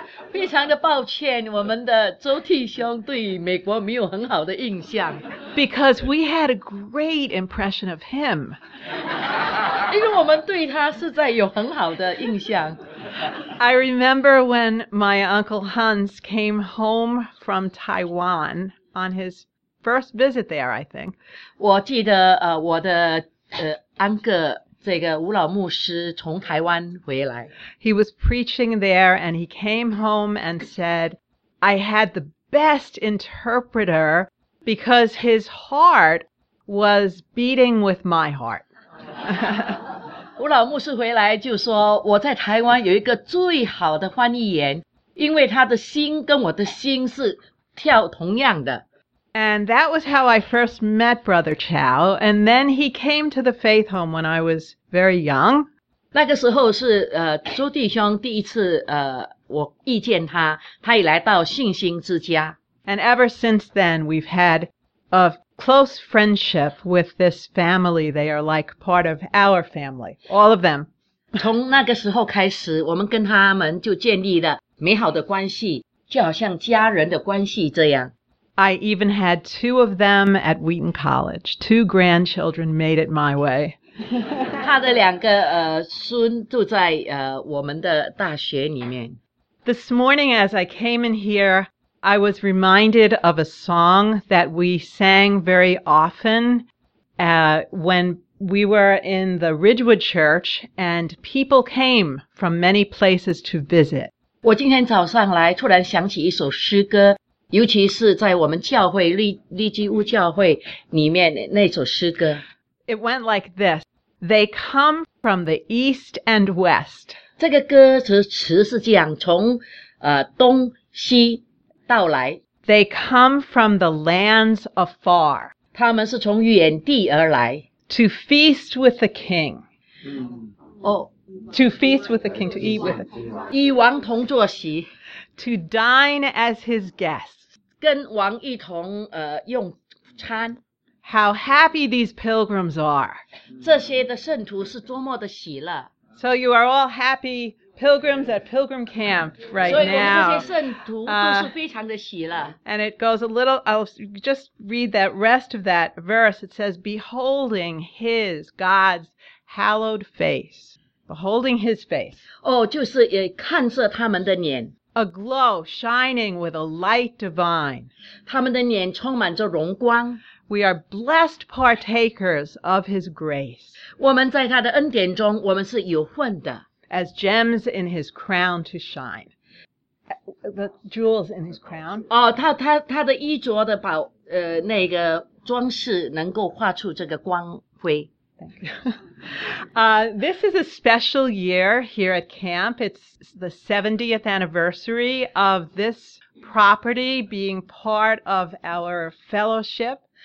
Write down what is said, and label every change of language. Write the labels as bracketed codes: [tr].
[zh] 非常的抱歉，我们的周弟兄对美国没有很好的印象。 [en] Because we had a great impression of him. [zh] 因为我们对他实在有很好的印象。 [en] I remember when my Uncle Hans came home from Taiwan on his first visit there, I think. [zh] 我记得我的安哥这个吴老牧师从台湾回来。 [en] He was preaching there and he came home and said, I had the best interpreter because his heart was beating with my heart. [zh] 吴老牧师回来就说我在台湾有一个最好的翻译员因为他的心跟我的心是跳同样的。 [en] And that was how I first met Brother Chow, and then he came to the faith home when I was very young. [zh] 那个时候是周弟兄第一次我遇见他他也来到信心之家。 [en] And ever since then, we've had a close friendship with this family. They are like part of our family, all of them. [zh] 从那个时候开始我们跟他们就建立了美好的关系就好像家人的关系这样。 [en] I even had two of them at Wheaton College. Two grandchildren made it my way. [zh] 他的两个孙住在我们的大学里面。 [en] This morning as I came in here, I was reminded of a song that we sang very often when we were in the Ridgewood Church and people came from many places to visit. [zh] 我今天早上来突然想起一首诗歌尤其是在我们教会利基屋教会里面那首诗歌。 [en] It went like this. They come from the east and west. [zh] 这个歌词是这样从东西到来。 [en] They come from the lands afar. [zh] 他们是从远地而来。 [en] To feast with the king. To feast with the king, to eat with him. [zh] 与王同坐席。 [en] To dine as his guests. [zh] 跟王一同用餐。 [en] How happy these pilgrims are. [zh] 这些的圣徒是多么的喜乐。 [en] So you are all happy pilgrims at Pilgrim Camp right now. [zh] 所以我们这些圣徒都是非常的喜乐。 [en] And it goes a little, I'll just read that rest of that verse. It says, beholding his, God's hallowed face. Beholding his face. [zh] 就是看着他们的脸。 [en] A glow shining with a light divine. [zh] 他们的脸充满着荣光。 [en] We are blessed partakers of his grace. [zh] 我们在他的恩典中我们是有份的。 [en] As gems in his crown to shine. The jewels in his crown. [zh] 他的衣着的宝那个装饰能够画出这个光辉。 [en] This is a special year here at camp. It's the 70th anniversary of this property being part of our fellowship.